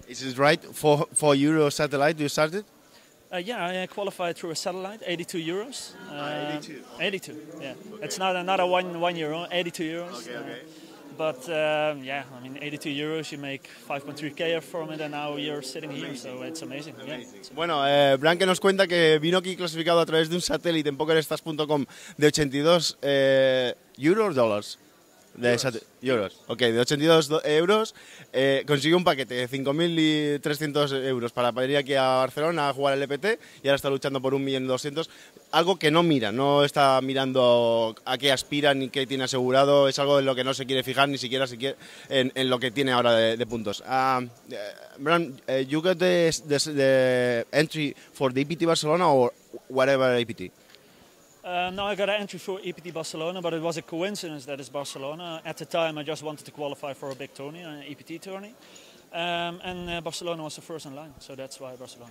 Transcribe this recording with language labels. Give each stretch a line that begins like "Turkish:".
English: Is this right? For Euro satellite, you started? Yeah, I qualified through a satellite, 82 euros. 82. Okay. 82, yeah. Okay. It's not a one euro, 82 euros. Okay, okay. But, yeah, I mean, 82 euros, you make 5.3k from it, and now you're sitting amazing. Here, so it's amazing. Amazing. Yeah, it's amazing.
Spanish: Bueno, Blanque nos cuenta que vino aquí clasificado a través de un satélite en PokerStars.com de 82 euros, dólares. De euros. Ok, de 82 euros, consiguió un paquete de 5.300 euros para ir aquí a Barcelona a jugar el EPT y ahora está luchando por 1.200.000, algo que no mira, no está mirando a qué aspira ni qué tiene asegurado, es algo en lo que no se quiere fijar ni siquiera en lo que tiene ahora de puntos.
English: Bram, you got the entry for the EPT Barcelona or whatever EPT? No, I got an entry for EPT Barcelona, but it was a coincidence that it's Barcelona. At the time, I just wanted to qualify for a big tourney, an EPT tourney. And Barcelona was the first in line, so that's why Barcelona.